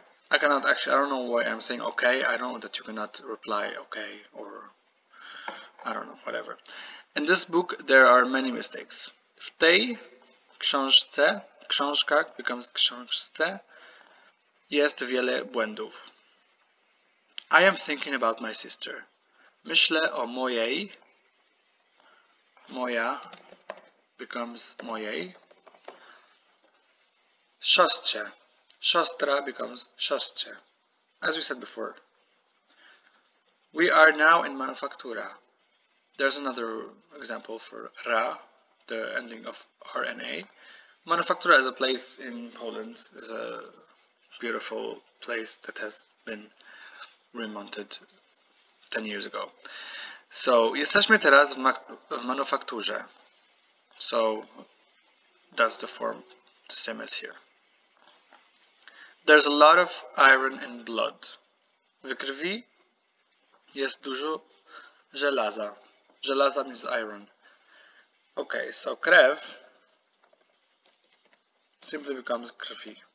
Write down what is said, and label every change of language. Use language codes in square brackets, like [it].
[en] I cannot actually, I don't know why I'm saying okay. I don't know that you cannot reply okay, or I don't know, whatever. In this book, there are many mistakes. [pl] W tej książce, książka [en] becomes [pl] książce, jest wiele błędów. [en] I am thinking about my sister. [pl] Myślę o mojej, [en] moja becomes [pl] mojej, siostrze. [en] Siostra becomes siostrze, as we said before. We are now in manufaktura. There's another example for ra, the ending of RNA. Manufaktura is a place in Poland, is a beautiful place that has been remounted 10 years ago. [pl] So, jesteśmy teraz w manufakturze. [en] So, that's the form, the same as here. There's a lot of iron in blood. [pl] W krwi jest dużo żelaza. [en] Żelaza means iron. Okay, so krew simply becomes krwi.